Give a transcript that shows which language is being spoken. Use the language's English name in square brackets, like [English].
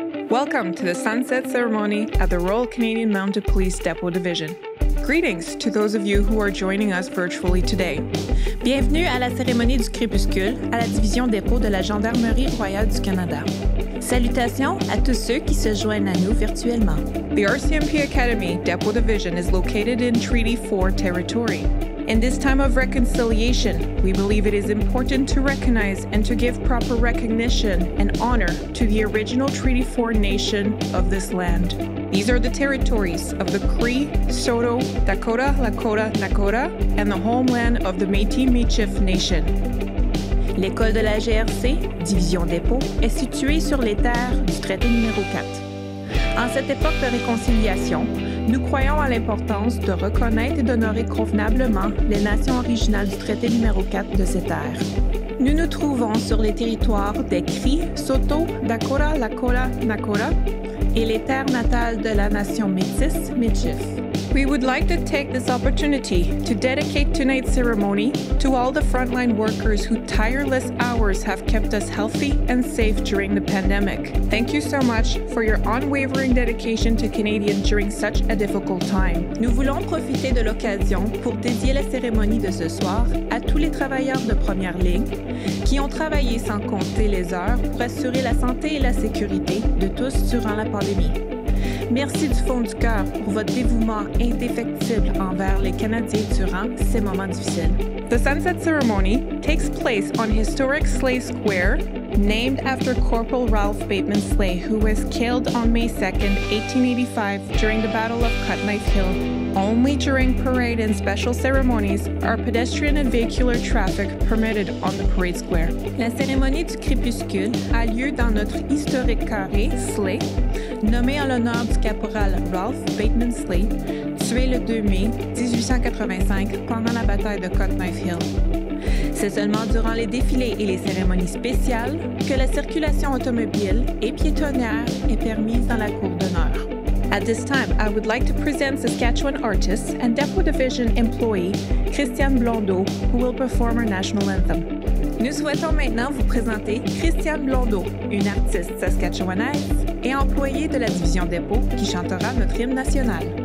[English] Welcome to the sunset ceremony at the Royal Canadian Mounted Police Depot Division. Greetings to those of you who are joining us virtually today. [French] Bienvenue à la cérémonie du crépuscule à la division dépôt de la Gendarmerie Royale du Canada. Salutations à tous ceux qui se joignent à nous virtuellement. [English] The RCMP Academy Depot Division is located in Treaty 4 territory. In this time of reconciliation, we believe it is important to recognize and to give proper recognition and honor to the original Treaty 4 nation of this land. These are the territories of the Cree, Soto, Dakota, Lakota, Nakota, and the homeland of the Métis-Mi'kmaq nation. [French] L'école de la GRC, Division Dépôt, est située sur les terres du traité numéro 4. En cette époque de réconciliation, nous croyons à l'importance de reconnaître et d'honorer convenablement les nations originales du traité numéro 4 de ces terres. Nous nous trouvons sur les territoires des Cree, Soto, Dakota, Lakota, Nakota et les terres natales de la nation Métis, Mi'kmaq. [English] We would like to take this opportunity to dedicate tonight's ceremony to all the frontline workers who tireless hours have kept us healthy and safe during the pandemic. Thank you so much for your unwavering dedication to Canadians during such a difficult time. [French] Nous voulons profiter de l'occasion pour dédier la cérémonie de ce soir à tous les travailleurs de première ligne qui ont travaillé sans compter les heures pour assurer la santé et la sécurité de tous durant la pandémie. Merci du fond du cœur pour votre dévouement indéfectible envers les Canadiens durant ces moments difficiles. [English] The sunset ceremony takes place on historic Slay Square, named after Corporal Ralph Bateman Slay, who was killed on May 2, 1885 during the Battle of Cutknife Hill. Only during parade and special ceremonies are pedestrian and vehicular traffic permitted on the parade square. [French] La cérémonie du crépuscule a lieu dans notre historique carré Slay, nommé en l'honneur du caporal Ralph Bateman Slay, tué le 2 mai 1885 pendant la bataille de Cutknife Hill. C'est seulement durant les défilés et les cérémonies spéciales que la circulation automobile et piétonnière est permise dans la cour d'honneur. [English] At this time, I would like to present Saskatchewan artist and Depot Division employee, Christiane Blondeau, who will perform our national anthem. [French] Nous souhaitons maintenant vous présenter Christiane Blondeau, une artiste saskatchewanaise et employée de la Division Dépôt qui chantera notre hymne national.